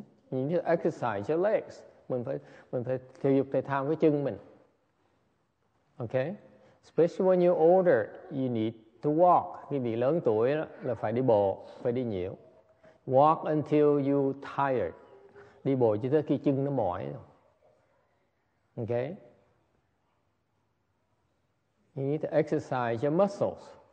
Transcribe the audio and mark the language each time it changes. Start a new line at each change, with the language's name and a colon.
English: You need to exercise your legs.
Vietnamese: Mình phải thể dục thể thao với chân mình.
English: Okay? Especially when you're older, you need to walk.
Vietnamese: Khi bị lớn tuổi là phải đi bộ, phải đi nhiều.
English: Walk until you tired.
Vietnamese: Đi bộ cho tới khi chân nó mỏi.
English: Okay? You need to exercise your muscles.